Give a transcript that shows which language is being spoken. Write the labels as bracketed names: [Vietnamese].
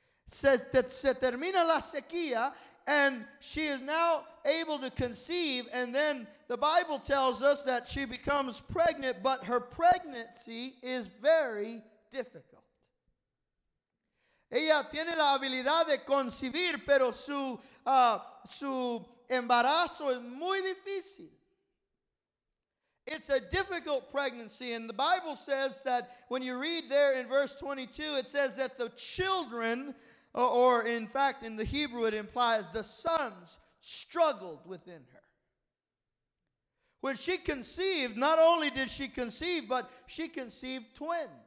[Spanish] Se termina la sequía, [English] and she is now able to conceive, and then the Bible tells us that she becomes pregnant, but her pregnancy is very difficult. [Spanish] Ella tiene la habilidad de concebir, pero su embarazo es muy difícil. [English] It's a difficult pregnancy, and the Bible says that when you read there in verse 22, it says that the children, or in fact in the Hebrew it implies the sons, struggled within her. When she conceived, not only did she conceive, but she conceived twins.